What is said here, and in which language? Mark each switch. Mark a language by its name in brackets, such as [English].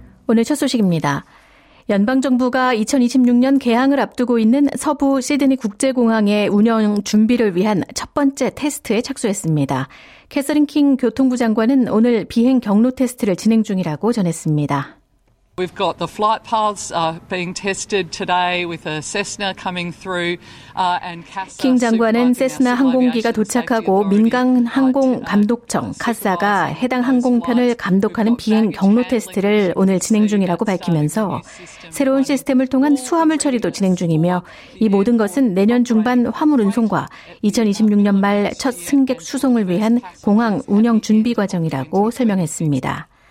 [Korean] 오늘 첫 소식입니다. 연방정부가 2026년 개항을 앞두고 있는 서부 시드니 국제공항의 운영 준비를 위한 첫 번째 테스트에 착수했습니다. 캐서린 킹 교통부 장관은 오늘 비행 경로 테스트를 진행 중이라고 전했습니다. [English] We've got the flight paths being tested today with a Cessna coming through and CASA. [Korean] 킹 장관은 세스나 항공기가 도착하고 민간 항공 감독청 CASA가 해당 항공편을 감독하는 비행 경로 테스트를 오늘 진행 중이라고 밝히면서 새로운 시스템을 통한 수화물 처리도 진행 중이며 이 모든 것은 내년 중반 화물 운송과 2026년 말 첫 승객 수송을 위한 공항 운영 준비 과정이라고 설명했습니다.